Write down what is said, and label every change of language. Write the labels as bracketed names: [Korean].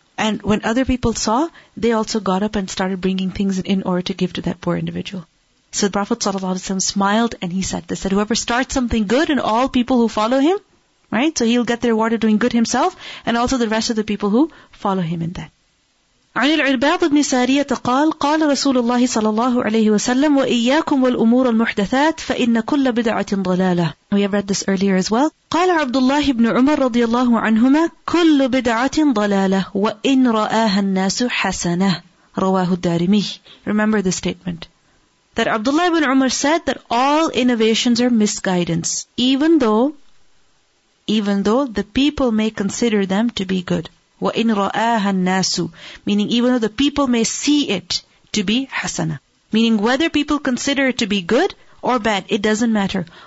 [English] And when other people saw, they also got up and started bringing things in order to give to that poor individual. So the Prophet ﷺ smiled and he said this, that whoever starts something good and all people who follow him, right? So he'll get the reward of doing good himself and also the rest of the people who follow him in that. [Arabic] عن العرباض بن سارية قال قال رسول الله صلى الله عليه وسلم وإياكم والأمور المحدثات فإن كل بدعة ضلالة. [English] We have read this earlier as well. [Arabic] قال عبد الله بن عمر رضي الله عنهما كل بدعة ضلالة وإن رآها الناس حسنة رواه الدارمي. [English] Remember this statement that Abdullah ibn Umar said that all innovations are misguidance, even though the people may consider them to be good. [Arabic] وَإِنْ رَآهَا النَّاسُ, [English] meaning even though the people may see it to be hasana, meaning whether people consider it to be good or bad, it doesn't matter.